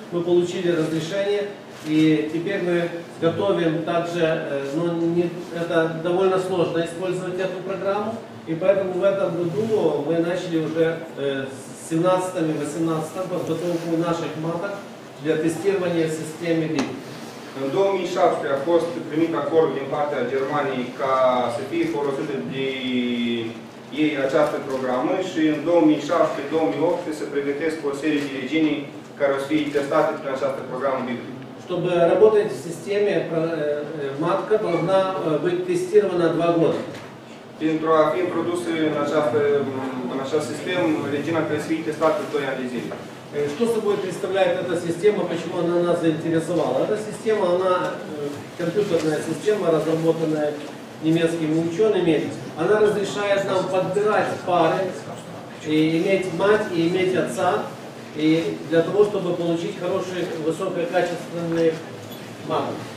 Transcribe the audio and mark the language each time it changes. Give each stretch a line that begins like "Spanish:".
Russian: Мы получили разрешение, и теперь мы готовим также, ну, не, это довольно сложно использовать эту программу, и поэтому в этом году мы начали уже с 17-18 подготовку наших маток для тестирования в системе Vibrit.
Romanian: În 2017 a fost primit acord din partea Germaniei ca să fie folosită de ei această programă și în 2017-2018 se pregătesc o serie de regiuni care o să fie testate prin această programă Vibrit.
Russian: Чтобы работать в системе, матка должна быть тестирована 2 года.
Romanian: Pentru a fi introdusă în această sistem, regiunea trebuie să fie testată 2 ani de zile.
Russian: Что собой представляет эта система, почему она нас заинтересовала? Эта система, она компьютерная система, разработанная немецкими учеными. Она разрешает нам подбирать пары, и иметь мать и иметь отца, и для того, чтобы получить хорошие, высококачественные мамы.